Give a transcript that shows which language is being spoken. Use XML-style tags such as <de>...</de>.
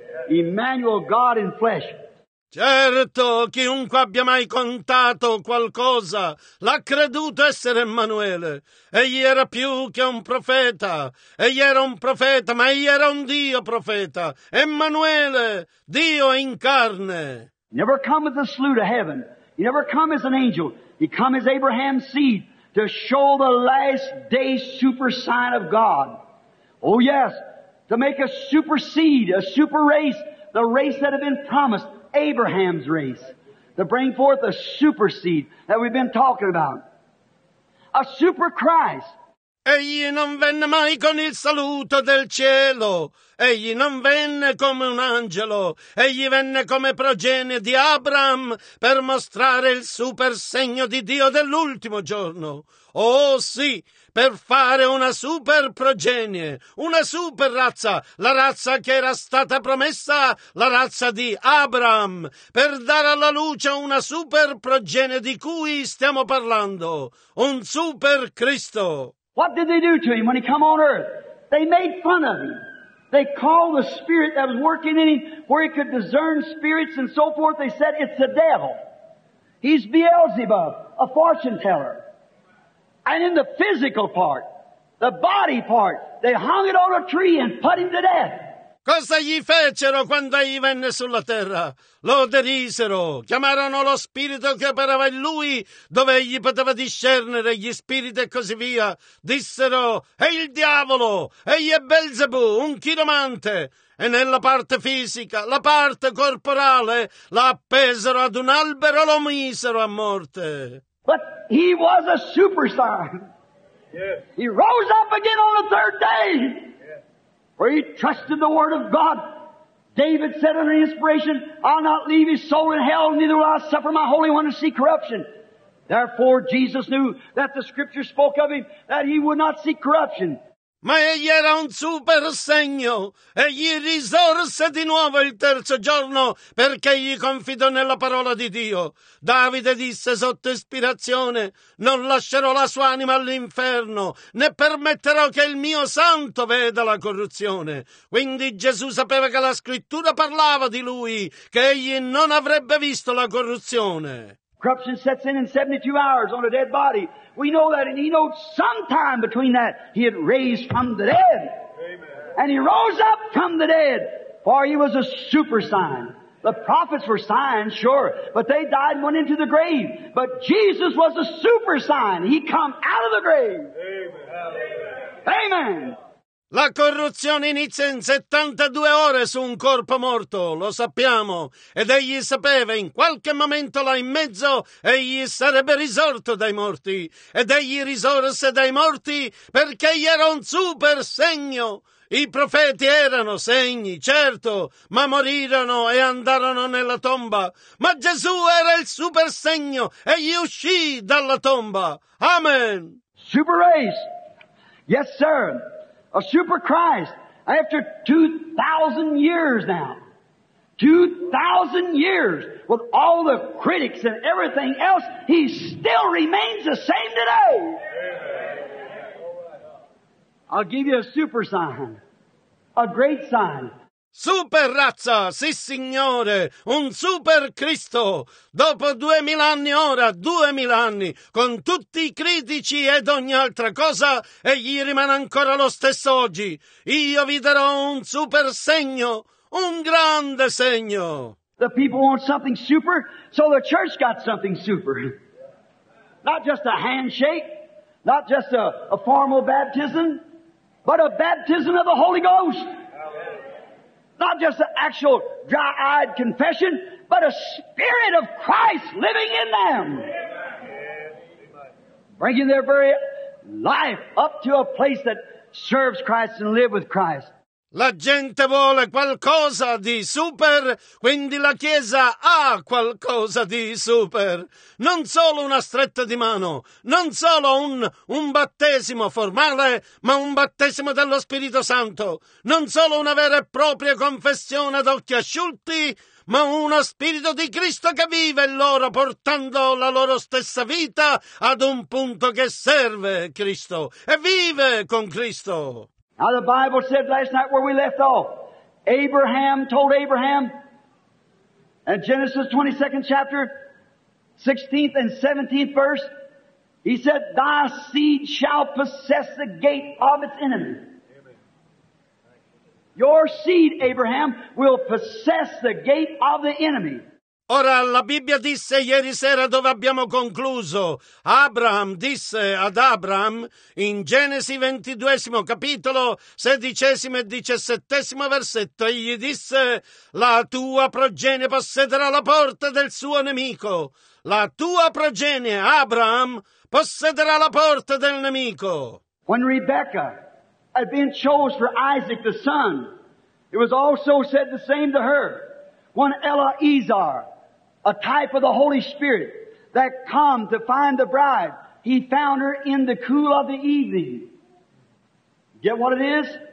<en>Emmanuel, God in flesh.</en> <it>Certo, chiunque abbia mai contato qualcosa l'ha creduto essere Emanuele. Egli era più che un profeta. Egli era un profeta, ma egli era un Dio profeta. Emanuele, Dio in carne.</it> <en>Never come with a slew to heaven. He never come as an angel. He come as Abraham's seed. To show the last day super sign of God. Oh yes, to make a super seed, a super race, the race that had been promised, Abraham's race. to bring forth a super seed that we've been talking about. A super Christ.</en> <it>Egli non venne mai con il saluto del cielo. Egli non venne come un angelo. Egli venne come progenie di Abram per mostrare il super segno di Dio dell'ultimo giorno. Oh sì, per fare una super progenie, una super razza, la razza che era stata promessa, la razza di Abram, per dare alla luce una super progenie di cui stiamo parlando, un super Cristo.</it> <en>What did they do to him when he came on earth? They made fun of him. They called the spirit that was working in him where he could discern spirits and so forth. They said, it's the devil. He's Beelzebub, a fortune teller. And in the physical part, the body part, they hung it on a tree and put him to death.</en> <it>Cosa gli fecero quando egli venne sulla terra? Lo derisero, chiamarono lo spirito che operava in lui, dove egli poteva discernere gli spiriti e così via. Dissero, è il diavolo, egli è Belzebù, un chiromante. E nella parte fisica, la parte corporale, la appesero ad un albero e lo misero a morte.</it> <en>But he was a superstar. Yes. He rose up again on the third day. For he trusted the word of God. David said under inspiration, I'll not leave his soul in hell, neither will I suffer my Holy One to see corruption. Therefore Jesus knew that the scripture spoke of him, that he would not see corruption.</en> <it>Ma egli era un super segno. Egli risorse di nuovo il terzo giorno perché egli confidò nella parola di Dio. Davide disse sotto ispirazione, non lascerò la sua anima all'inferno, né permetterò che il mio santo veda la corruzione. Quindi Gesù sapeva che la scrittura parlava di lui, che egli non avrebbe visto la corruzione.</it> <en>Corruption sets in 72 hours on a dead body. We know that, and he knows sometime between that he had raised from the dead. Amen. And he rose up from the dead, for he was a super sign. The prophets were signs, sure, but they died and went into the grave. But Jesus was a super sign. He come out of the grave. Amen. Amen.</en> <it>La corruzione inizia in 72 ore su un corpo morto, lo sappiamo, ed egli sapeva in qualche momento là in mezzo egli sarebbe risorto dai morti, ed egli risorse dai morti perché egli era un super segno. I profeti erano segni, certo, ma morirono e andarono nella tomba. Ma Gesù era il super segno, egli uscì dalla tomba. Amen.</it> <en>Super race. Yes, sir. A super Christ, after 2,000 years now, 2,000 years, with all the critics and everything else, he still remains the same today. I'll give you a super sign, a great sign.</en> <it>Super razza, sì signore, un super Cristo. Dopo 2000 anni ora, 2000 anni, con tutti i critici ed ogni altra cosa, egli rimane ancora lo stesso oggi. Io vi darò un super segno, un grande segno.</it> <en>The people want something super, so the church got something super. Not just a handshake, not just a formal baptism, but a baptism of the Holy Ghost. Not just an actual dry-eyed confession, but a spirit of Christ living in them. Bringing their very life up to a place that serves Christ and live with Christ.</en> <it>La gente vuole qualcosa di super, quindi la Chiesa ha qualcosa di super. Non solo una stretta di mano, non solo un battesimo formale, ma un battesimo dello Spirito Santo. Non solo una vera e propria confessione ad occhi asciutti, ma uno Spirito di Cristo che vive in loro, portando la loro stessa vita ad un punto che serve Cristo e vive con Cristo.</it> <en>Now the Bible said last night where we left off, Abraham told Abraham at Genesis 22nd chapter, 16th and 17th verse, he said, thy seed shall possess the gate of its enemy. Your seed, Abraham, will possess the gate of the enemy.</en> <it>Ora, la Bibbia disse ieri sera dove abbiamo concluso. Abraham disse ad Abraham in Genesi 22 capitolo 16 e 17 versetto, egli disse: la tua progenie possederà la porta del suo nemico. La tua progenie, Abraham, possederà la porta del nemico.</it> <en>When Rebecca had been chosen for Isaac the son, it was also said the same to her. When Eliezer, a type of the Holy Spirit that come to find the bride, he found her in the cool of the evening. Get what it is?</en>